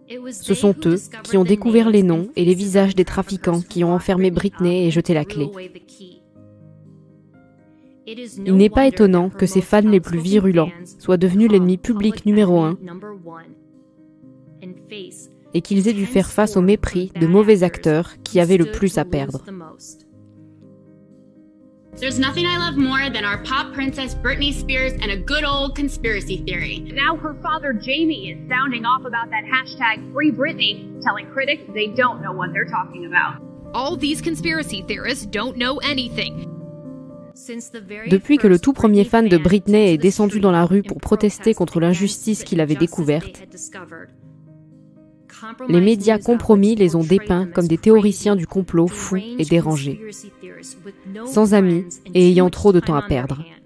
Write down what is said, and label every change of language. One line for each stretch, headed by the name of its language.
French: Ce sont eux qui ont découvert les noms et les visages des trafiquants qui ont enfermé Britney et jeté la clé. Il n'est pas étonnant que ses fans les plus virulents soient devenus l'ennemi public numéro un et qu'ils aient dû faire face au mépris de mauvais acteurs qui avaient le plus à perdre.
English: There's nothing I love more than our pop princess Britney Spears and a good old conspiracy theory. Now her father Jamie is sounding off about that hashtag Free Britney, telling critics they don't know what they're talking about. All these conspiracy theorists don't know anything.
French: Depuis que le tout premier fan de Britney est descendu dans la rue pour protester contre l'injustice qu'il avait découverte, les médias compromis les ont dépeints comme des théoriciens du complot fous et dérangés, sans amis et ayant trop de temps à perdre.